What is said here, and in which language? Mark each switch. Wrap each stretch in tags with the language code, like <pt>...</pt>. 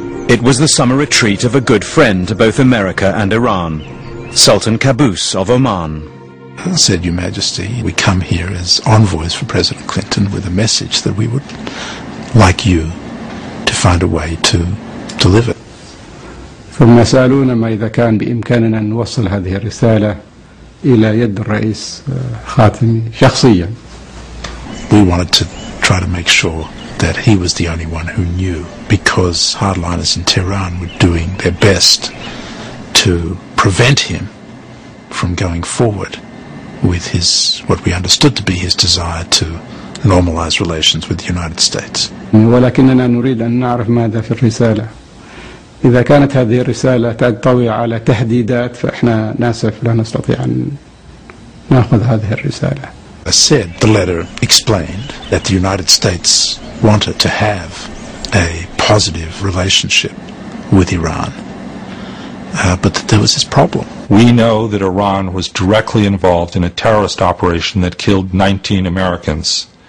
<en>It was the summer retreat of a good friend to both America and Iran, Sultan Qaboos of Oman. Said, Your Majesty, we come here as envoys for President Clinton with a message that we would like you to find a way to deliver.</en> <ar>ثم سألونا ما إذا كان بإمكاننا أن نوصل هذه الرسالة إلى يد الرئيس خاتمي شخصيا.</ar> <en>We wanted to try to make sure that he was the only one who knew, because hardliners in Tehran were doing their best to prevent him from going forward with his, what we understood to be his desire to normalize relations with the United States.</en> <ar>ولكننا نريد أن نعرف ماذا في الرسالة. إذا كانت هذه الرسالة تنطوي على تهديدات فإحنا ناسف لا نستطيع أن نأخذ هذه الرسالة.</ar> <en>I said the letter explained that the United States wanted to have a positive relationship with Iran. But there was this problem. We know that Iran was directly involved in a terrorist operation that killed 19 Americans.</en>